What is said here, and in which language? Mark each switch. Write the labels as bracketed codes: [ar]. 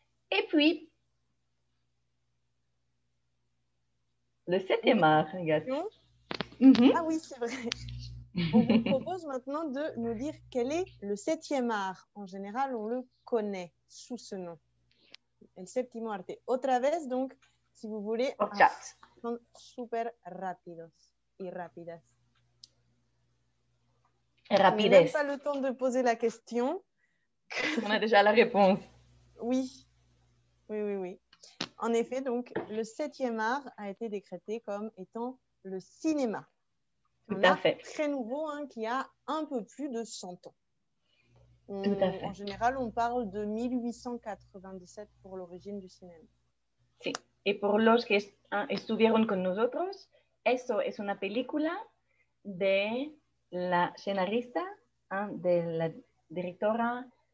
[fr] Et puis, le septième art, regarde. Ah oui, c'est vrai. On vous propose maintenant de nous dire quel est le septième art. En général, on le connaît sous ce nom. [es] El séptimo arte. Otra vez, [fr] donc, si vous voulez. Au chat. [es] Son super rápidos y rápidas. [fr] Rapides. On n'a pas le temps de poser la question. On a déjà la réponse. Oui. Oui, oui, oui. En effet, donc, le septième art a été décrété comme étant le cinéma. Tout à fait. Très nouveau, hein, qui a un peu plus de 100 ans. Tout à fait. En général, on parle de 1897 pour l'origine du cinéma. [es] Si. [fr] Et pour [es] los que estuvieron con nosotros, eso es una película [fr] de la scénariste, hein, [es] de la directora.